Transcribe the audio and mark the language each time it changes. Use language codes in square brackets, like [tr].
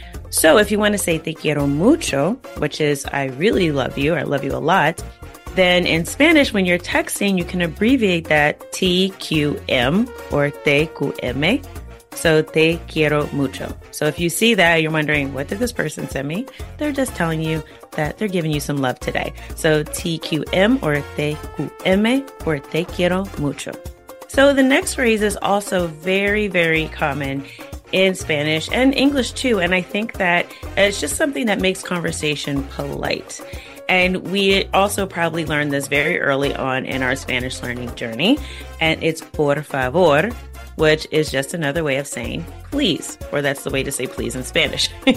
[en] So if you want to say [es] te quiero mucho, [en] which is I really love you, or I love you a lot, then in Spanish, when you're texting, you can abbreviate that TQM or TQM. So [es] te quiero mucho. [en] So if you see that, you're wondering, what did this person send me? They're just telling you that they're giving you some love today. So TQM or TQM or [es] te quiero mucho. [en] So the next phrase is also very, very common in Spanish and English too. And I think that it's just something that makes conversation polite. And we also probably learned this very early on in our Spanish learning journey. And it's [es] por favor, [en] which is just another way of saying please, or that's the way to say please in Spanish.